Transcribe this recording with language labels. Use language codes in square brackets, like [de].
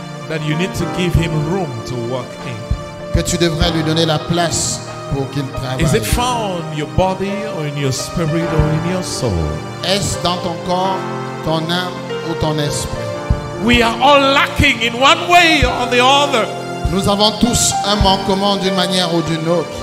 [en] That you need to give him room to work in. [fr] Que tu devrais lui donner la place pour qu'il travaille. [en] Is it found in your body or in your spirit or in your soul? [fr] Est-ce dans ton corps, ton âme ou ton esprit? [en] We are all lacking in one way or the other. [fr] Nous avons tous un manquement d'une manière ou d'une autre.